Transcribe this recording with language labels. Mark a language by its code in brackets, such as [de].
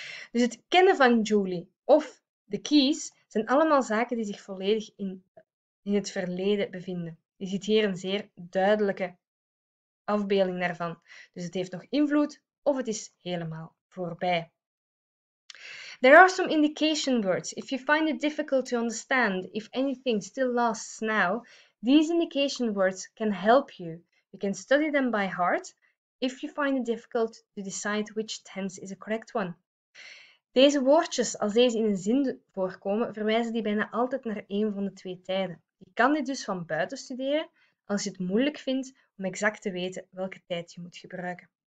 [nl] Dus het kennen van Julie of de keys zijn allemaal zaken die zich volledig in het verleden bevinden. Je ziet hier een zeer duidelijke afbeelding daarvan. Dus het heeft nog invloed of het is helemaal voorbij. [en] There are some indication words. If you find it difficult to understand, if anything still lasts now, these indication words can help you. You can study them by heart if you find it difficult to decide which tense is a correct one. [nl] Deze woordjes, als deze in een zin voorkomen, verwijzen die bijna altijd naar één van de twee tijden. Je kan dit dus van buiten studeren als je het moeilijk vindt om exact te weten welke tijd je moet gebruiken.